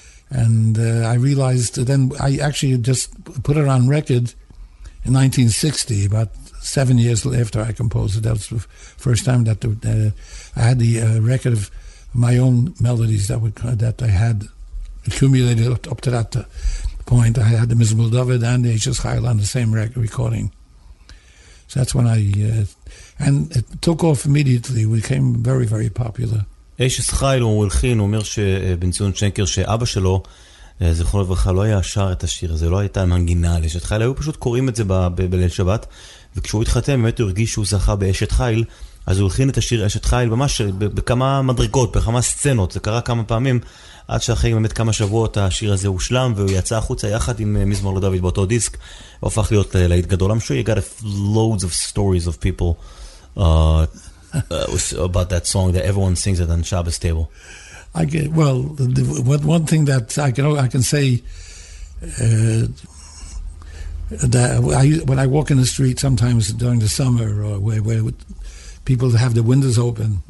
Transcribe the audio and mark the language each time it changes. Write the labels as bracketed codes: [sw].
[en] And I realized then I actually just put it on record in 1960, about 7 years after I composed it. That was the first time that I had the record of my own melodies that I had accumulated up to that point. I had the Mizmul David and the H.S. Chayil on the same recording. So that's when I... and it took off immediately. We became very, very popular. H.S. [he] Chayil, הוא הלחין, הוא אומר שבן ציון שנקר, שאבא שלו, זכרו לברכה, לא היה שר את השיר הזה, לא הייתה מנגינה על אשת חייל, היו פשוט קוראים את זה בליל שבת, וכשהוא התחתן, באמת הוא הרגיש שהוא זכה באשת חייל, אז הוא הלחין את השיר אשת חייל, ממש בכמה מדרגות, בכמה סצנות, זה קרה כמה פעמים, עד שאחרי באמת כמה שבועות השיר הזה הושלם, והוא יצא החוצה יחד עם מזמור לדוד באותו דיסק, והפך להיות להיט גדול. [en] I'm sure you got loads of stories of people about that song that everyone sings at on Shabbos table. I get, well, one thing that I can say that when I walk in the street sometimes during the summer or where people have the windows open.